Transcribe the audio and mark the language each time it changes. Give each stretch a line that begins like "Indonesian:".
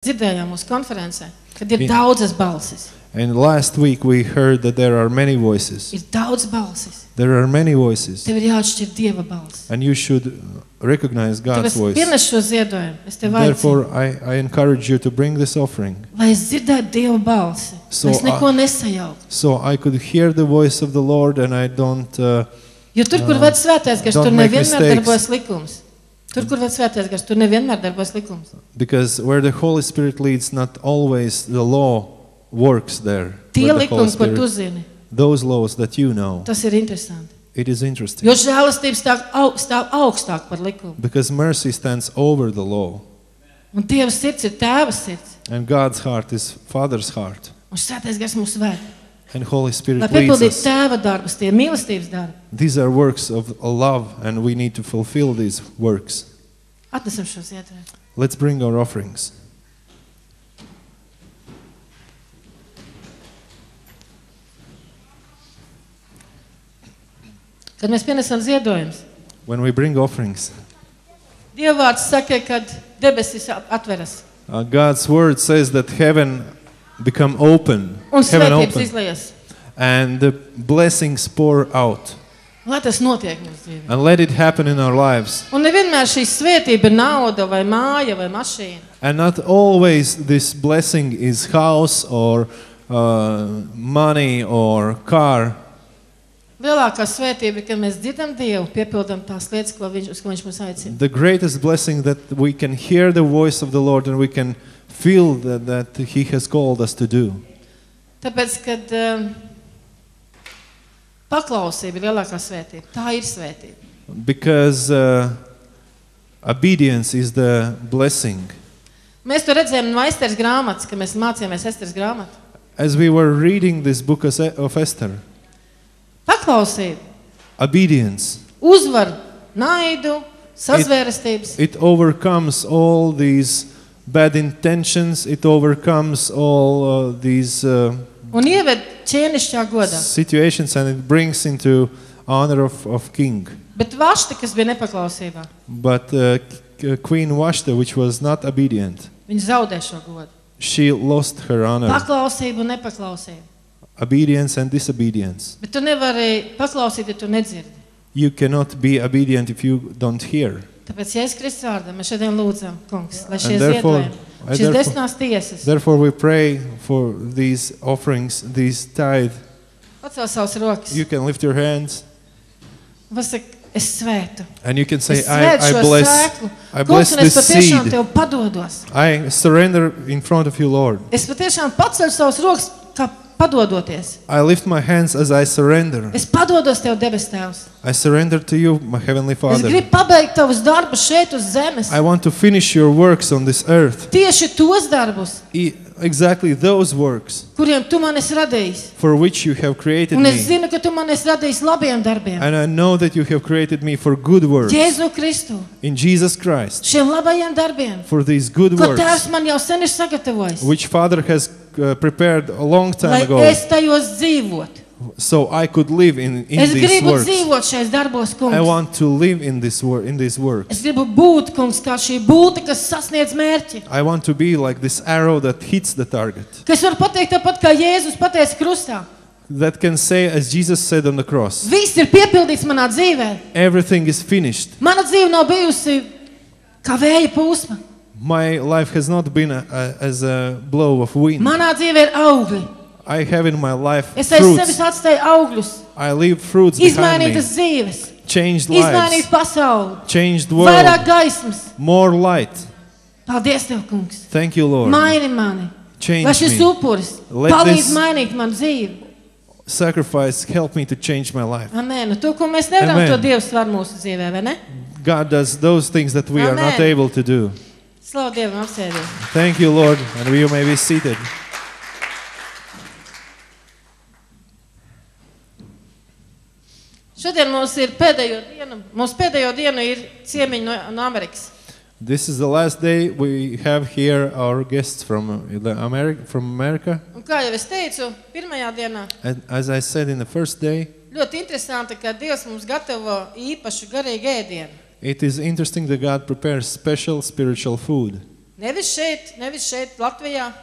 Latvian: Dzirdējām mūsu konferencē, kad ir daudzas balsis.
English: And last week we heard that there are many voices.
Latvian: Ir daudz balsis.
English: There are many voices.
Latvian: Tev ir jāatšķir Dieva balss.
English: And you should recognize God's voice.
Latvian: Tev pirms šo ziedojumu, es tev aicinu.
English: Therefore, I encourage you to bring this offering.
Latvian: Lai es dzirdētu Dieva balsi, so es neko nesajaukt.
English: So I could hear the voice of the Lord and I don't
Latvian: Jo tur, kur vēd svētais garsts, tur nevienmēr darbojas likums. Tur, kur vēd svētais garsts, tur nevienmēr darbojas likums.
English: Because where the Holy Spirit leads, not always the law works there.
Latvian: Tie likums, ko tu zini.
English: Those laws that you know.
Latvian: Tas ir interesanti.
English: It is interesting.
Latvian: Jo žēlastība stāv augstāk par likumu.
English: Because mercy stands over the law.
Latvian: Un Dieva sirds ir Tēva sirds.
English: And God's heart is Father's heart.
Latvian: Un svētais garsts mūs vēd.
English: And Holy Spirit
Latvian: Lai piepildītu Tēva darbus, tie mīlestības darbi.
English: These are works of love and we need to fulfill these works.
Latvian: Atnesam šos ziedojumus.
English: Let's bring our offerings.
Latvian: Kad mēs pienesam ziedojumus.
English: When we bring offerings.
Latvian: Dieva vārds saka, kad debesis atveras.
English: God's word says that heaven become open.
Latvian: Un
English: heaven open.
Latvian: Izlējas.
English: And the blessings pour out.
Latvian: Lai tas notiek mūsu dzīvē.
English: And let it happen in our lives.
Latvian: Un nevienmēr šī svētība ir nauda vai māja vai mašīna.
English: And not always this blessing is house or money or car.
Latvian: Lielākā svētība, kad mēs dzirdam Dievu, piepildam tās lietas, ko viņš, uz ko viņš mums aicina.
English: The greatest blessing that we can hear the voice of the Lord and we can feel that he has called us to do.
Latvian: Tāpēc, kad paklausība ir lielākā svētība, tā ir svētība.
English: Because obedience is the blessing.
Latvian: Mēs to redzējām no Esteres grāmatas, kad mēs mācījāmies Esteres grāmatu.
English: As we were reading this book of Esther.
Latvian: Paklausība.
English: Obedience.
Latvian: Uzvar naidu, sazvērestības.
English: It overcomes all these bad intentions, it overcomes all these
Latvian: Un ieved ķēnišķā godā.
English: Situations and it brings into honor of king.
Latvian: Bet Vašta, kas bija nepaklausībā.
English: But Queen Vašta, which was not obedient.
Latvian: Viņa zaudē šo godu.
English: She lost her honor.
Latvian: Paklausība un nepaklausība.
English: Obedience and disobedience.
Latvian: Bet tu nevari paklausīt, ja tu nedzirdi.
English: You cannot be obedient if you don't hear.
Latvian: Tāpēc Jēzus Kristus vārdā mēs šodien lūdzam, kungs, lai šie ziedojumi, šis desmās tiesas.
English: Therefore we pray for these offerings, these tithe.
Latvian: Pacel savas rokas.
English: You can lift your hands.
Latvian: Pasaka, es svētu.
English: And you can say, I bless. I bless this seed.
Latvian: Tev padodos.
English: I surrender in front of you, Lord.
Latvian: Es patiešām pacelu savas rokas, kā padodoties.
English: I lift my hands as I surrender.
Latvian: Es padodos tev, debes Tēvs.
English: I surrender to you, my heavenly Father.
Latvian: Es gribu pabeigt tavus darbus šeit uz zemes.
English: I want to finish your works on this earth.
Latvian: Tieši tos darbus.
English: Exactly those works.
Latvian: Kuriem tu man esi radījis.
English: For which you have created me.
Latvian: Un es zinu, ka tu man esi radījis labiem darbiem.
English: And I know that you have created me for good works.
Latvian: Jēzu Kristu.
English: In Jesus Christ.
Latvian: Šiem labajiem darbiem.
English: For these good works.
Latvian: Ko Tēvs man jau sen ir sagatavojis.
English: Which Father has prepared a long time ago.
Latvian: Lai es tajos dzīvot.
English: So I could live in
Latvian: es
English: these works.
Latvian: Es gribu dzīvot šais darbos, kungs.
English: I want to live in this work, in these works.
Latvian: Es gribu būt, kungs, kā šī būte, kas sasniedz mērķi.
English: I want to be like this arrow that hits the target.
Latvian: Kas var pateikt tāpat kā Jēzus pateica krustā.
English: That can say as Jesus said on the cross.
Latvian: Viss ir piepildīts manā dzīvē.
English: Everything is finished.
Latvian: Mana dzīve nav bijusi kā vēja pūsma.
English: My life has not been as a blow of wind.
Latvian: Manā dzīvē ir augļi.
English: I have in my life
Latvian: es
English: fruits.
Latvian: Es sevi atstāju augļus.
English: I leave fruits
Latvian: Izmainītas
English: behind me.
Latvian: Dzīves.
English: Changed
Latvian: Izmainīt
English: lives.
Latvian: Pasauli.
English: Changed world.
Latvian: Vairāk gaismas.
English: More light.
Latvian: Paldies Tev, kungs.
English: Thank you, Lord.
Latvian: Maini mani.
English: Change me.
Latvian: Lai šis upuris palīdz mainīt man dzīvi.
English: Sacrifice help me to change my life.
Latvian: Amen. To, ko mēs nevaram, Amen. To Dievs var mūsu dzīvē, vai ne?
English: God does those things that we Amen. Are not able to do.
Latvian: Slavu Dievam, apsēdies.
English: Thank you, Lord, and you may be seated.
Latvian: Šodien mums ir pēdējo dienu. Mums pēdējo dienu ir ciemiņi no Amerikas.
English: This is the last day we have here our guests from America.
Latvian: Un kā jau es teicu, pirmajā dienā.
English: And as I said in the first day.
Latvian: Ļoti interesanti, ka Dievs mums gatavo īpašu garīgu ēdienu.
English: It is interesting that God prepares special spiritual food.
Latvian: Nevis šeit, nevis šeit Latvijā.